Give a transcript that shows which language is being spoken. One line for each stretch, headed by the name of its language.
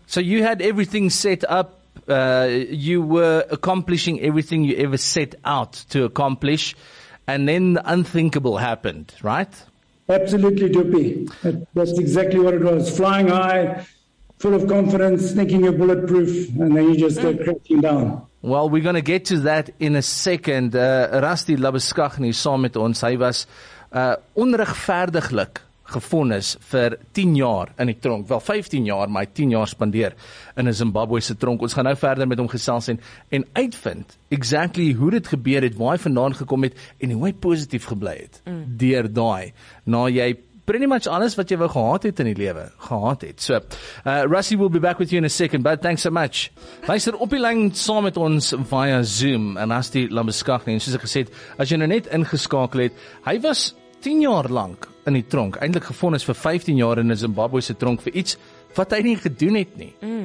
English: So you had everything set up. You were accomplishing everything you ever set out to accomplish. And then the unthinkable happened, right? Absolutely, Dupi. That's exactly what it was. Flying high, full of confidence, thinking you're bulletproof, and then you just go crashing down. Well, we're going to get to that in a second.
Afrikaans: Rusty Labuskaghni saam met ons. Hy was onregverdiglik gevonnis vir 10 jaar in die tronk. Wel 15 jaar, maar hy 10 jaar spandeer in 'n Zimbabwese tronk. Ons gaan nou verder met hom gesels en uitvind exactly hoe dit gebeur het, waar hy vandaan gekom het en hoe hy positief gebly het deur daai. Nou jy
English: pretty much
Afrikaans: alles wat jy wou gehad het in die lewe gehad het.
English: So, Rusty, we'll be back with you in a second, but thanks so much.
Afrikaans: Luister op die lyn saam met ons via Zoom en Rusty Labuskaghni, en soos ek gesê het, as jy nou net ingeskakel het, hy was 10 jaar lank in die tronk, eintlik gevonnis vir 15 jaar in 'n Zimbabwese tronk vir iets wat hy nie gedoen het nie.